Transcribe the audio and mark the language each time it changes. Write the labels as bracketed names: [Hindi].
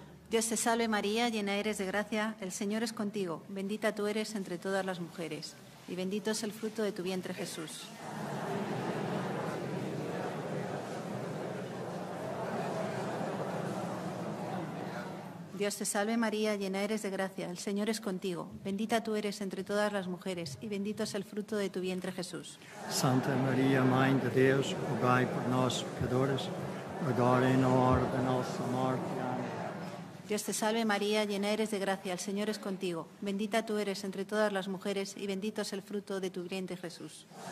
[Spanish] Dios te salve María, llena eres de gracia, el Señor es contigo, bendita tú eres entre todas las mujeres, y bendito es el fruto de tu vientre Jesús. Amén. Dios te salve, María, llena eres de gracia. El Señor es contigo. Bendita tú eres entre todas las mujeres y bendito es el fruto de tu vientre, Jesús. [Portuguese] Santa María, Mãe de Deus, rogai por nós, pecadores, agora e na hora de nossa morte. Amém. [Spanish] Dios te salve, María, llena eres de gracia. El Señor es contigo. Bendita tú eres entre todas las mujeres y bendito es el fruto de tu vientre, Jesús.